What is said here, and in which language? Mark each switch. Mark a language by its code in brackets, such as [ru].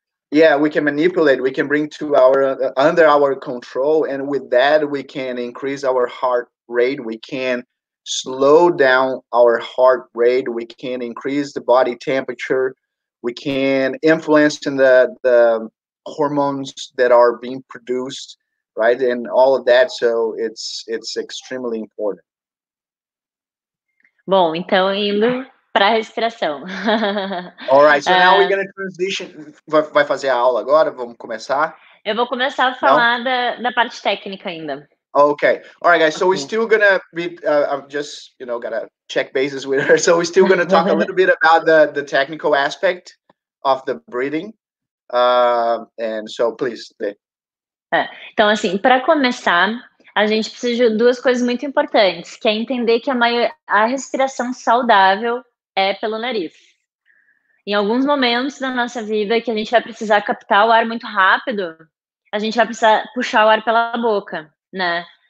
[en] We can manipulate, we can bring to under our control, and with that we can increase our heart rate, we can slow down our heart rate, we can increase the body temperature, we can influence in the hormones that are being produced, right, and all of that, so it's extremely important. [pt] Bom, então indo para a respiração. [en] All right, so now we're going to transition. [pt] Vai fazer a aula agora? Vamos começar? Eu vou começar a falar da parte técnica ainda. [en] Okay. All right, guys, so we're still going to be, I'm just, you know, got to check bases with her. So we're still going to talk a little bit about the technical aspect of the breathing. And so, please. [pt] Então, assim, para começar, a gente precisa de duas coisas muito importantes, que é entender que a respiração saudável é pelo nariz. Em alguns momentos da nossa vida que a gente vai precisar captar o ar muito rápido, a gente vai precisar puxar o ar pela boca, né?